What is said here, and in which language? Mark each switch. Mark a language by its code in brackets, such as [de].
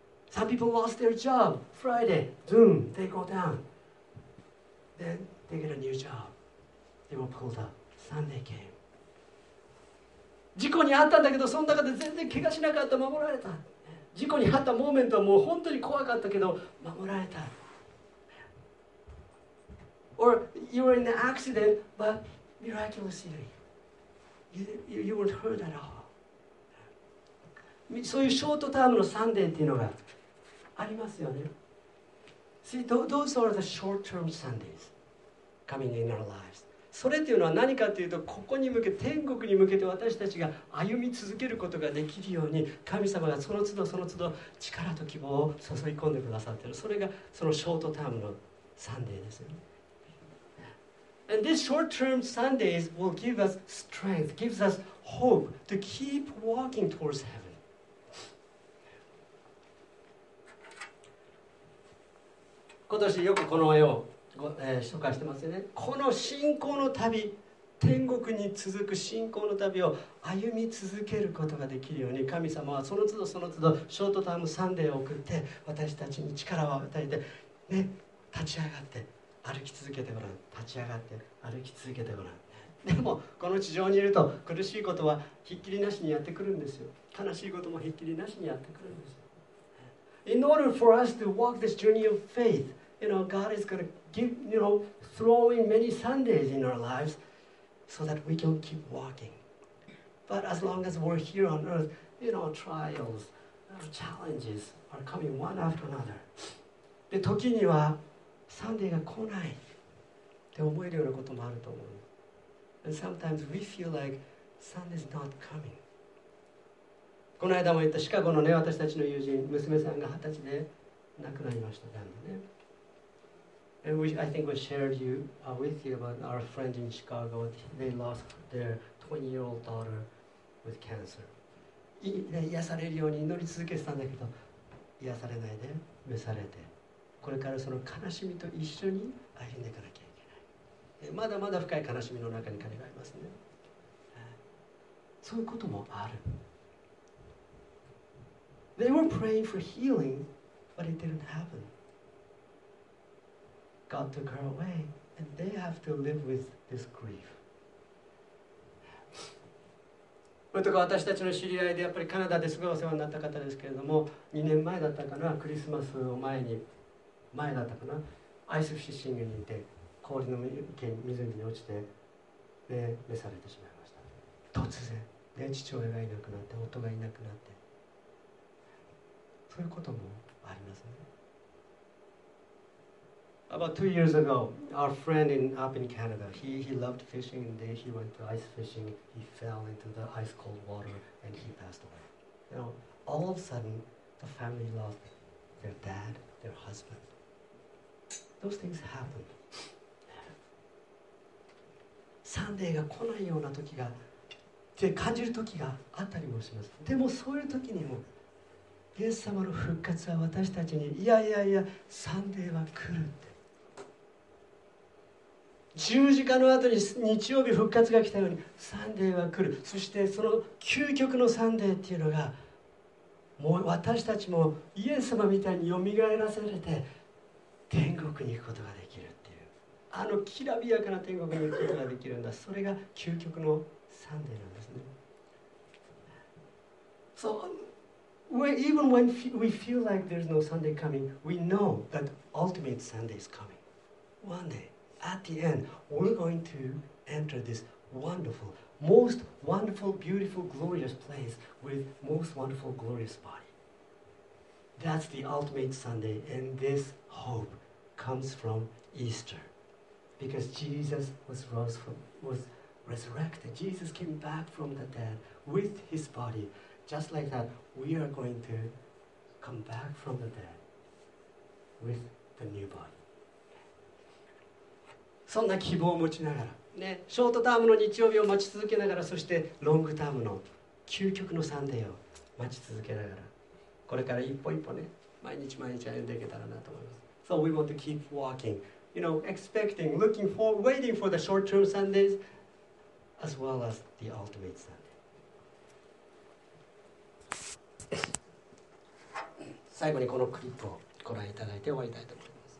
[en] Some people lost their job. Friday, zoom, they go down. Then they get a new job. They were pulled up. Sunday came. [ja] 事故にあったんだけど、その中で全然怪我しなかった、守られた。事故にあったモーメントはもう本当に怖かったけど守られた。 [en] Or you were in an accident but miraculously you weren't hurt at all. [ja] そういうショートタームのサンデーっていうのがありますよね。 [en] See, those are the short term Sundays coming in our lives. [ja] それっていうのは何かというと、ここに向け、天国に向けて私たちが歩み続けることができるように、神様がその都度その都度力と希望を注ぎ込んでくださっている。それがそのショートタームのサンデーですよね。 [en] And this short-term Sundays will give us strength, gives us hope to keep walking towards heaven. [ja] 紹介してますよね。この信仰の旅、天国に続く信仰の旅を歩み続けることができるように、神様はその都度その都度ショートタームサンデーを送って、私たちに力を与えて、ね、立ち上がって歩き続けてごらん、立ち上がって歩き続けてごらん。でもこの地上にいると苦しいことはひっきりなしにやってくるんですよ。悲しいこともひっきりなしにやってくるんですよ。 [en] In order for us to walk this journey of faithYou know, God is going to give, you know, throw in many Sundays in our lives so that we can keep walking. But as long as we're here on earth, you know, trials, challenges are coming one after another. [ja] で、時にはサンデーが来ないって思えるようなこともあると思う。 [en] And sometimes we feel like Sunday's not coming. [ja] この間も言ったシカゴのね、私たちの友人、娘さんが二十歳で亡くなりました。なんでね。 [en] And we, I think we shared you, with you about our friend in Chicago. They lost their 20-year-old daughter with cancer. [ja] 癒されるように祈り続けてたんだけど、癒されないで召されて、これからその悲しみと一緒に歩んでいかなきゃいけない。まだまだ深い悲しみの中に彼がいますね。そういうこともある。 [en] They were praying for healing, but it didn't happen. God took her away, and they have to live with this grief. [ja] とか私たちの知り合いでやっぱりカナダですごいお世話になった方ですけれども、2年前だったかな、クリスマスを前に、前だったかな、アイスフィッシングにいて氷の湖に落ちて召されてしまいました。突然で父親がいなくなって、夫がいなくなって、そういうこともありますね。 [en] About 2 years ago, our friend in, up in Canada, he loved fishing, and then he went to ice fishing. He fell into the ice cold water and he passed away. Now, all of a sudden, the family lost their dad, their husband. Those things happen. [ja] サンデーが来ないような時が、って感じる時があったりもします。でもそういう時にも、イエス様の復活は私たちに、いやいやいや、サンデーは来るって。十字架の後に日曜日復活が来たように、サンデーは来る。そしてその究極のサンデーっていうのが、もう私たちもイエス様みたいによみがえらされて、天国に行くことができるっていう。あのきらびやかな天国に行くことができるんだ。それが究極のサンデーなんですね。 [en] So,Even when we feel like there's no Sunday coming, we know that ultimate Sunday is coming. One day, at the end, we're going to enter this wonderful, most wonderful, beautiful, glorious place with most wonderful, glorious body. That's the ultimate Sunday, and this hope comes from Easter. Because Jesus was resurrected. Jesus came back from the dead with his body. Just like that, we are going to come back from the dead with the new body. [ja] そんな希望を持ちながら、ね、ショートタームの日曜日を待ち続けながら、そしてロングタームの究極のサンデーを待ち続けながら、これから一歩一歩ね、毎日毎日歩んでいけたらなと思います。 [en] So we want to keep walking, you know, expecting, looking for, waiting for the short-term Sundays, as well as the ultimate Sunday. [ja] 最後にこのクリップをご覧いただいて終わりたいと思います。